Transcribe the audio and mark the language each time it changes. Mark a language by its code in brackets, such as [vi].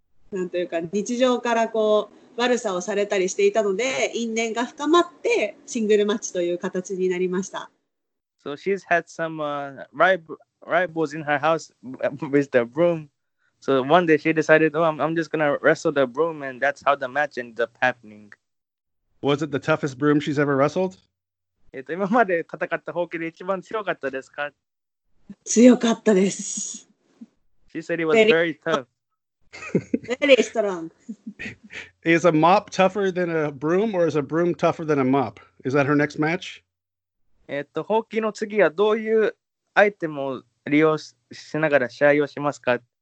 [ja] なんというか日常からこう悪さをされたりしていたので、因縁が深まってシングルマッチという形になりました。So [en] she's had some rivals in her house with the broom. So one day she decided, oh, I'm just going to wrestle the broom, and that's how the match ended up happening. Was it the toughest broom she's ever wrestled? [ja] 今まで戦ったホウキで一番強かったですか? 強かったです。 [en] She said it was very tough. Very strong. Is a mop tougher than a broom, or is a broom tougher than a mop? Is that her next match? [ja] ホウキの次はどういうアイテムを利用しながら試合をしますか?